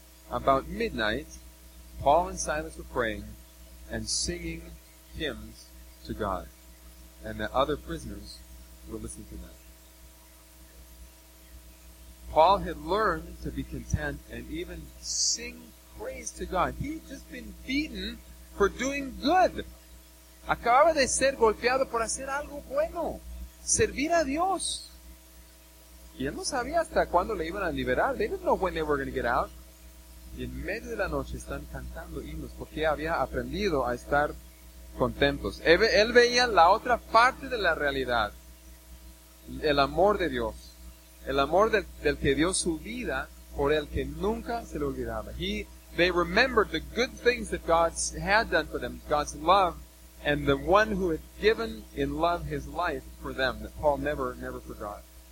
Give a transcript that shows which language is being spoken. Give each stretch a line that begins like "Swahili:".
English: About midnight, Paul and Silas were praying and singing hymns to God, and the other prisoners were listening to them. Paul had learned to be content and even sing praise to God. He had just been beaten for doing good.
Spanish: Acababa de ser golpeado por hacer algo bueno, servir a Dios. Y él no sabía hasta cuándo le iban a liberar.
English: They didn't know when they were going to get out.
Spanish: Y en medio de la noche están cantando himnos porque había aprendido a estar contentos. Él veía la otra parte de la realidad. El amor de Dios. El amor del que dio su vida por el que nunca se le olvidaba.
English: They remembered the good things that God had done for them, God's love, and the one who had given in love his life for them, that Paul never forgot.